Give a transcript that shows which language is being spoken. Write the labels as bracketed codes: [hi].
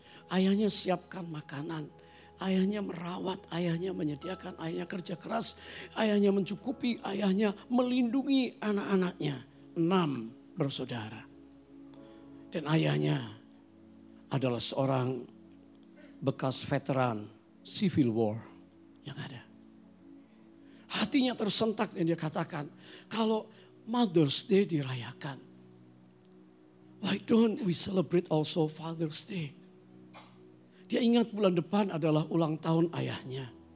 [id] Ayahnya siapkan makanan. Ayahnya merawat, ayahnya menyediakan, ayahnya kerja keras, ayahnya mencukupi, ayahnya melindungi anak-anaknya. 6 bersaudara. Dan ayahnya adalah seorang bekas veteran Civil War yang ada. Hatinya tersentak dan dia katakan, kalau Mother's Day dirayakan, [en] why don't we celebrate also Father's Day? [id] Dia ingat bulan depan adalah ulang tahun ayahnya.